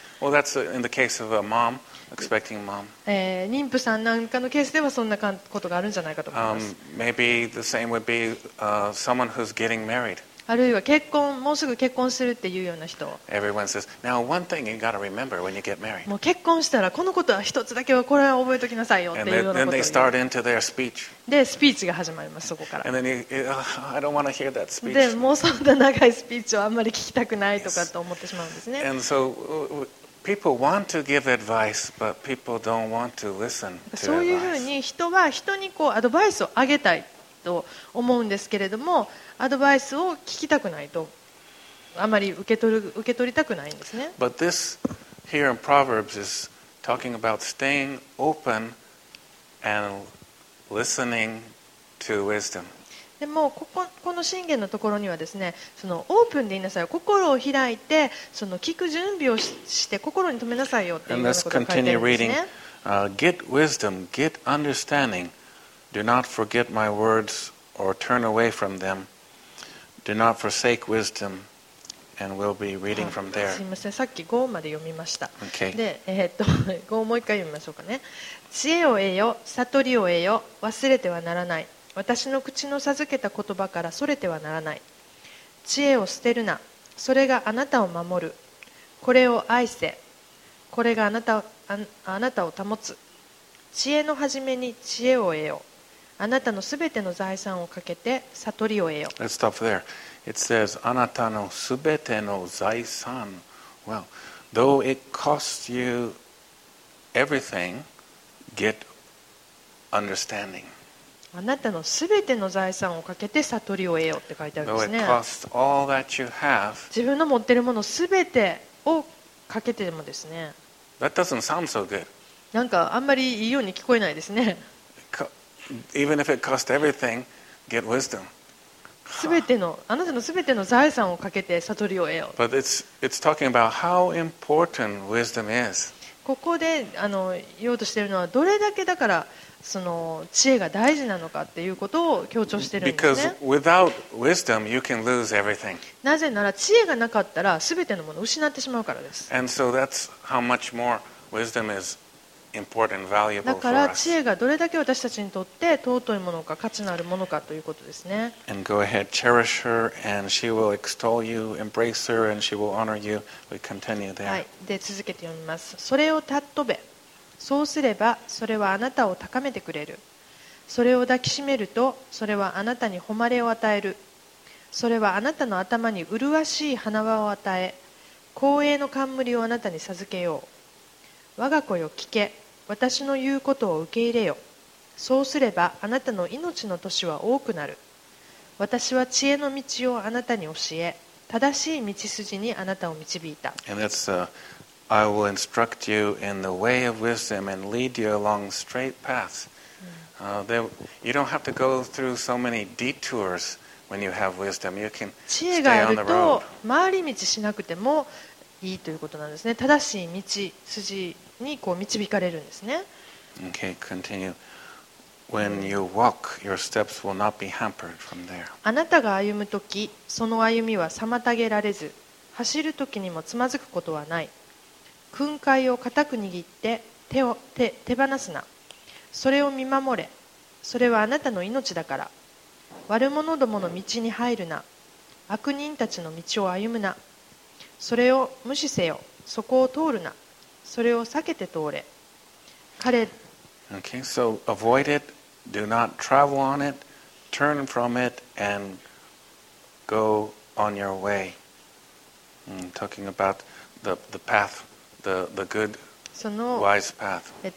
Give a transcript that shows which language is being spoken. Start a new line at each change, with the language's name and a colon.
English: Well, that's in the case of a mom, expecting mom.
Japanese: 妊婦さんなんかのケースではそんなことがあるんじゃないかと思います。
English: Maybe the same would be someone who's getting married.
Japanese: あるいは結婚もうすぐ結婚するっていうような人。
English: Everyone says, now one thing you gotta remember when you get married.
Japanese: もう結婚したらこのことは一つだけはこれは覚えときなさいよっていうようなことを。
English: And then they start into their speech.
Japanese: でスピーチが始まりますそこから。
English: And then I don't want to hear that speech.
Japanese: でもうそんな長いスピーチをあんまり聞きたくないとかと思ってしまうんですね。
English: And so people want to give advice, but people don't want to listen to advice.
Japanese: そういうふうに人は人にこうアドバイスをあげたい。と思うんですけれどもアドバイスを聞きたくないとあまり受け取りたくないんですね。
English: But this here in Proverbs is talking about staying open and listening to wisdom.
Japanese: でもこの箴言のところにはですねそのオープンでいなさいよ心を開いてその聞く準備を して心に留めなさいよっていうようなことが書いてあるんですね。
English: And let's continue reading. Get wisdom, get understandingDo not forget my words or turn away from them. Do not forsake wisdom. And we'll be reading from there.
Japanese: すみません、さっき5まで読みました。
English: Okay.
Japanese: で、5をもう一回読みましょうかね。知恵を得よ、悟りを得よ、忘れてはならない。私の口の授けた言葉からそれてはならない。知恵を捨てるな。それがあなたを守る。これを愛せ。これがあなたを保つ。知恵の始めに知恵を得よ。あなたのすべての財産をかけて悟りを得よ。
English: Let's stop there. It says,
Japanese: あなたのすべての財産。
English: Well, though it costs you everything, get understanding.
Japanese: あなたのすべての財産をかけて悟りを得よって書いてあるんですね。
English: Though it costs all that you have,
Japanese: 自分の持ってるものすべてをかけてもですね。
English: That doesn't sound so good.
Japanese: なんかあんまりいいように聞こえないですね。
English: Even if it cost everything, get wisdom.
Japanese: あなたのすべての財産をかけて悟りを得よ。
English: But it's talking about how important wisdom is.
Japanese: ここで言おうとしているのはどれだけだからその知恵が大事なのかっていうことを強調しているんですね。
English: Because without wisdom, you can lose everything.
Japanese: なぜなら知恵がなかったらすべてのものを失ってしまうからです。
English: And so that's how much more wisdom is. Important, valuable
Japanese: だから知恵がどれだけ私たちにとって尊いものか価値のあるものかということですね。
English: And go ahead, cherish her, and she will extol you, embrace her, and she will honor you. We continue there.
Japanese: はい、で続けて読みます。それを尊べ。そうすればそれはあなたを高めてくれる。それを抱きしめるとそれはあなたに誉れを与える。それはあなたの頭に麗しい花輪を与え、光栄の冠をあなたに授けよう。我が子よ聞け私の言うことを受け入れよそうすればあなたの命の年は多くなる私は知恵の道をあなたに教え正しい道筋にあなたを導いた
English: And that's, I will instruct you in the way of wisdom and lead you along straight paths、you don't have to go through so many detours when you have wisdom you can stay on the road
Japanese: 知恵があると回り道しなくてもいいということなんですね。正しい道筋にこう導かれるんですね。
English: Okay, continue. When you walk, your steps will not be hampered from there.
Japanese: あなたが歩むとき、その歩みは妨げられず、走るときにもつまずくことはない。訓戒を固く握って手放すな。それを見守れ。それはあなたの命だから。悪者どもの道に入るな。悪人たちの道を歩むな。それを無視せよ。そこを通るな。それを避けて通れ。
English: Okay, so avoid it, do not travel on it, turn from it, and go on your way. Talking about the path, the good, wise path.